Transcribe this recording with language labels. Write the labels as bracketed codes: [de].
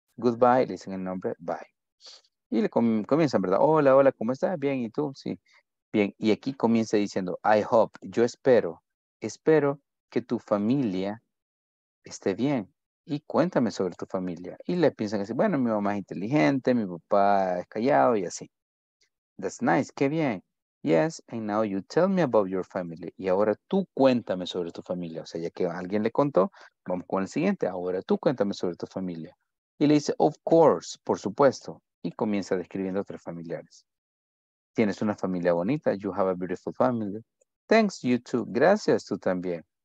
[es] Goodbye, le dicen el nombre, bye. Y le comienzan, ¿verdad? Hola, hola, ¿cómo estás? Bien, ¿y tú? Sí, bien. Y aquí comienza diciendo, [en] I hope, [es] yo espero, espero que tu familia esté bien. Y cuéntame sobre tu familia. Y le piensan así, bueno, mi mamá es inteligente, mi papá es callado y así. [en] That's nice, [es] qué bien. [en] Yes, and now you tell me about your family. [es] Y ahora tú cuéntame sobre tu familia. O sea, ya que alguien le contó, vamos con el siguiente. Ahora tú cuéntame sobre tu familia. Y le dice, [en] of course, [es] por supuesto. Y comienza describiendo 3 familiares. Tienes una familia bonita. [en] You have a beautiful family. Thanks, you too. [es] Gracias, tú también.